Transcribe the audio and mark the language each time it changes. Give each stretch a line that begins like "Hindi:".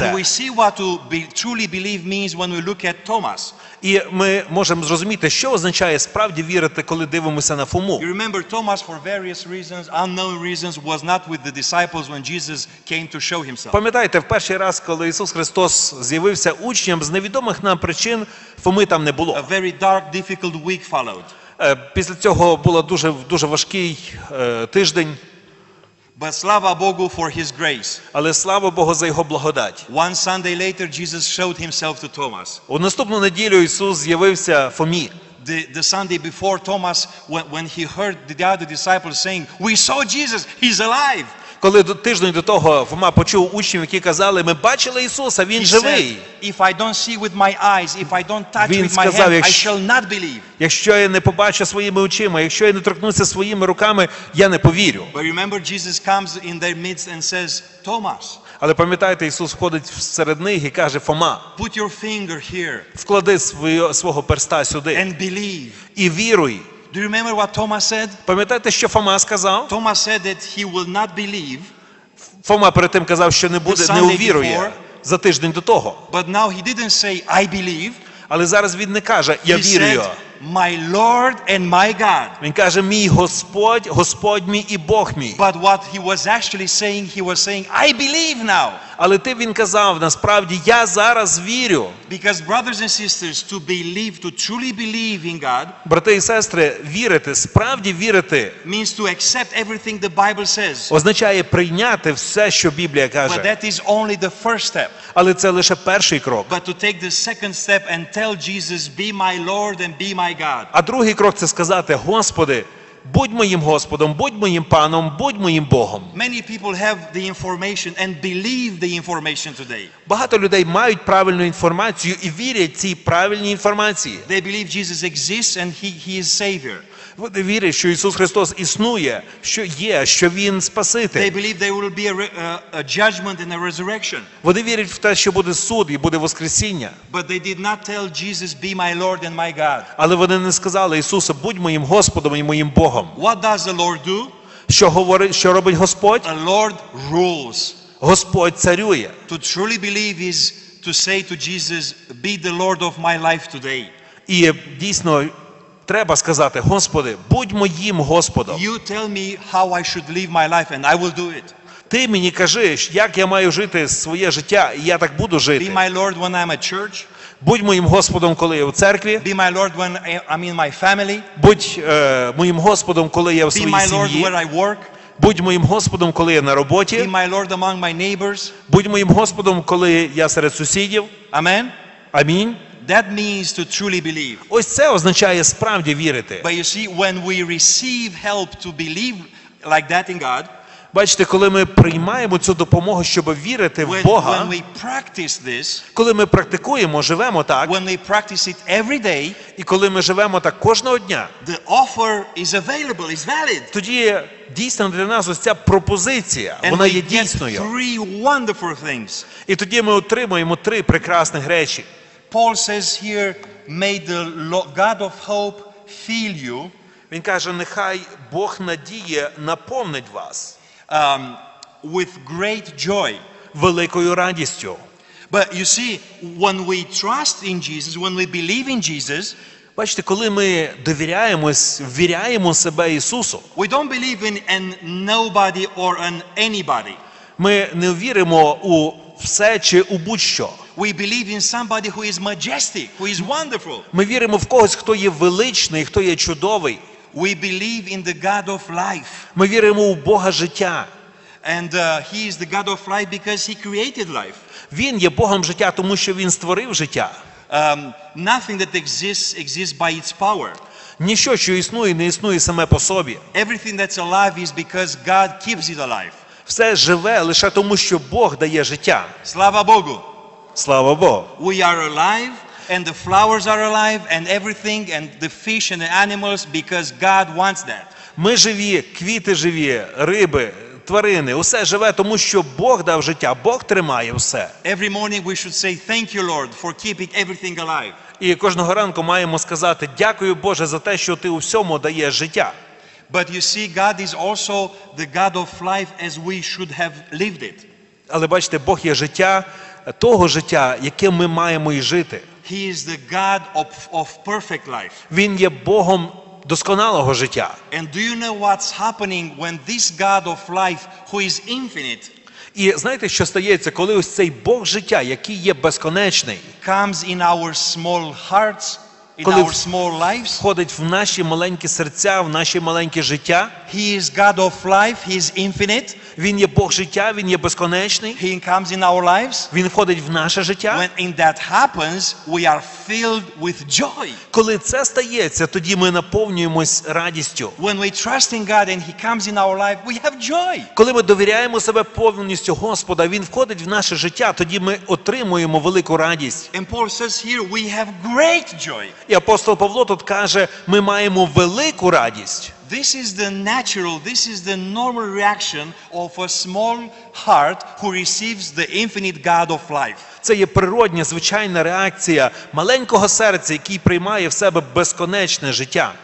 English: And we see what to truly believe means when we look at Thomas.
Ukrainian: І ми можемо зрозуміти, що означає справді вірити, коли дивимося на Фому.
English: You remember Thomas for various reasons, unknown reasons, was not with the disciples when Jesus came to show himself.
Ukrainian: Пам'ятаєте, в перший раз, коли Ісус Христос з'явився учням, з невідомих нам причин Фоми там не було.
English: A very dark, difficult week followed.
Ukrainian: Після цього була дуже дуже важкий тиждень.
English: But
Ukrainian: слава Богу
English: for his grace.
Ukrainian: Але слава Богу за його благодать.
English: One Sunday later Jesus showed himself to Thomas.
Ukrainian: У наступну неділю Ісус з'явився Фомі.
English: The Sunday before Thomas when he heard the other disciples saying, "We saw Jesus, he's alive."
Ukrainian: Коли тиждень до того Фома почув учнів, які казали, ми бачили Ісуса, Він живий.
English: If I don't see with my eyes, if I don't touch with my hand, I shall not believe.
Ukrainian: Якщо я не побачу своїми очима, якщо я не торкнуся своїми руками, я не повірю.
English: But remember, Jesus comes in their midst and says, Thomas.
Ukrainian: Але пам'ятаєте, Ісус входить всеред них і каже, Фома,
English: put your finger here.
Ukrainian: Вклади свого перста сюди.
English: And believe.
Ukrainian: І віруй.
English: Do you remember what Thomas said?
Ukrainian: Пам'ятаєте, що Фома сказав?
English: Thomas said that he will not believe.
Ukrainian: Фома перед тим казав, що не буде, не увірує за тиждень до того.
English: But now he didn't say I believe.
Ukrainian: Але зараз він не каже я вірую.
English: My Lord and my God.
Ukrainian: Він каже мій Господь, Господь мій і Бог мій.
English: But what he was actually saying, he was saying I believe now.
Ukrainian: Але те він казав, насправді я зараз вірю.
English: Because brothers and sisters, to believe, to truly believe in God.
Ukrainian: Брати і сестри, вірити, справді вірити.
English: Means to accept everything the Bible says.
Ukrainian: Означає прийняти все, що Біблія каже.
English: But that is only the first step.
Ukrainian: Але це лише перший крок.
English: But to take the second step and tell Jesus, be my Lord and be my God.
Ukrainian: А другий крок це сказати: Господи, будь моїм Господом, будь моїм паном, будь моїм Богом.
English: Many people have the information and believe the information today.
Ukrainian: Багато людей мають правильну інформацію і вірять цій правильній інформації.
English: They believe Jesus exists and he is savior.
Ukrainian: Вони вірять, що Ісус Христос існує, що є, що він Спаситель.
English: They believe there will be a judgment and a resurrection.
Ukrainian: Вони вірять в те, що буде суд і буде воскресіння.
English: But they did not tell Jesus be my Lord and my God.
Ukrainian: Але вони не сказали Ісусу будь моїм Господом і моїм Богом.
English: What does the Lord do?
Ukrainian: Що говорить, що робить Господь?
English: The Lord rules.
Ukrainian: Господь царює.
English: To truly believe is to say to Jesus be the Lord of my life today.
Ukrainian: І дійсно треба сказати: Господи, будь моїм Господом.
English: You tell me how I should live my life and I will do it.
Ukrainian: Ти мені кажи, як я маю жити своє життя, і я так буду жити.
English: Be my Lord when I'm at church.
Ukrainian: Будь моїм Господом, коли я в церкві.
English: Be my Lord when I'm in my family.
Ukrainian: Будь моїм Господом, коли я в своїй сім'ї.
English: Be my Lord where I work.
Ukrainian: Будь моїм Господом, коли я на роботі.
English: Be my Lord among my neighbors.
Ukrainian: Будь моїм Господом, коли я серед сусідів.
English: Amen.
Ukrainian: Амінь.
English: That means to truly believe.
Ukrainian: Ось це означає справді вірити.
English: But you see, when we receive help to believe like that in God.
Ukrainian: Бачите, коли ми приймаємо цю допомогу, щоб вірити в Бога, коли ми практикуємо, живемо так,
English: when we practice it every day,
Ukrainian: і коли ми живемо так кожного дня,
English: the offer is available, is valid.
Ukrainian: Тоді дійсно для нас ось ця пропозиція,
English: and
Ukrainian: вона є дійсною.
English: Three wonderful things.
Ukrainian: І тоді ми отримуємо три прекрасних речі.
English: Paul says here, may the God of hope fill you.
Ukrainian: Він каже, нехай Бог надії наповнить вас.
English: With great joy,
Ukrainian: великою радістю.
English: But you see, when we trust in Jesus, when we believe in Jesus,
Ukrainian: бачите, коли ми довіряємось, віряємо себе Ісусу.
English: We don't believe in an nobody or an anybody.
Ukrainian: Ми не віримо у все чи у будь-що.
English: We believe in somebody who is majestic, who is wonderful.
Ukrainian: Ми віримо в когось, хто є величний, хто є чудовий.
English: We believe in the God of life.
Ukrainian: Ми віримо у Бога життя.
English: And he is the God of life because he created life.
Ukrainian: Він є Богом життя, тому що він створив життя.
English: Nothing that exists by its power.
Ukrainian: Ніщо, що існує, не існує саме по собі.
English: Everything that's alive is because God keeps it alive.
Ukrainian: Все живе лише тому, що Бог дає життя. Слава Богу. Слава Богу.
English: We are alive. And the flowers are alive, and everything, and the fish and the animals, because God wants that.
Ukrainian: Ми живі, квіти живі, риби, тварини, усе живе, тому що Бог дав життя, Бог тримає все.
English: Every morning we should say, thank you, Lord, for keeping everything alive.
Ukrainian: І кожного ранку маємо сказати, дякую, Боже, за те, що ти у всьому даєш життя.
English: But you see, God is also the God of life as we should have lived it.
Ukrainian: Але бачите, Бог є життя, того життя, яке ми маємо і жити.
English: He is the God of perfect life.
Ukrainian: Він є Богом досконалого життя.
English: And do you know what's happening when this God of life, who is infinite,
Ukrainian: і знаєте, що стається, коли ось цей Бог життя, який є безконечний,
English: comes in our small hearts, in our small lives,
Ukrainian: входить в наші маленькі серця, в наші маленькі життя,
English: he is God of life, he is infinite.
Ukrainian: Він є Бог життя, він є безконечний.
English: He comes in our lives.
Ukrainian: Він входить в наше життя.
English: When in that happens, we are filled with joy.
Ukrainian: Коли це стається, тоді ми наповнюємось радістю.
English: When we trust in God and he comes in our life, we have joy.
Ukrainian: Коли ми довіряємо себе повністю Господа, він входить в наше життя, тоді ми отримуємо велику радість.
English: And Paul says here, we have great joy.
Ukrainian: І апостол Павло тут каже, ми маємо велику радість.
English: This is the natural, this is the normal reaction of a small heart who receives the infinite God of life.
Ukrainian: Це є природня, звичайна реакція маленького серця, який приймає в себе безконечне життя.